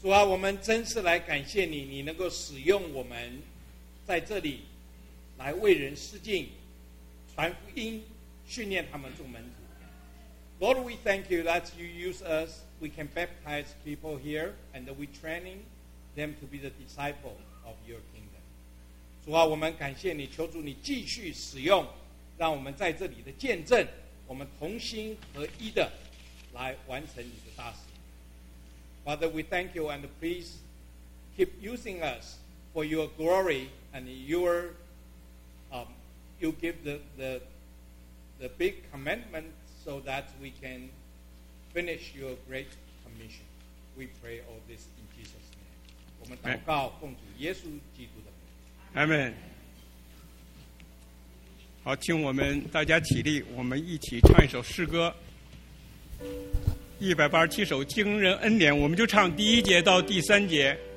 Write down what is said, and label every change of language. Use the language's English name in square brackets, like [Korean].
[Chinese] 主啊，我们真是来感谢你，你能够使用我们在这里来为人施浸、传福音、训练他们做门徒。 [English] Lord, we thank you that you use us. We can baptize people here and we training them to be the disciple of your kingdom. [Chinese] 主啊，我们感谢你，求主你继续使用，让我们在这里的见证，我们同心合一的来完成你的大事。 [English] Father, we thank you and please keep using us for your glory and your you give the big commandment so that we can finish your great commission. We pray all this in Jesus' name. [Chinese] 我们祷告奉主耶稣基督的名。 [English] Amen。 [Chinese] 好，请我们大家起立，我们一起唱一首诗歌，187首惊人恩典，我们就唱第一节到第三节。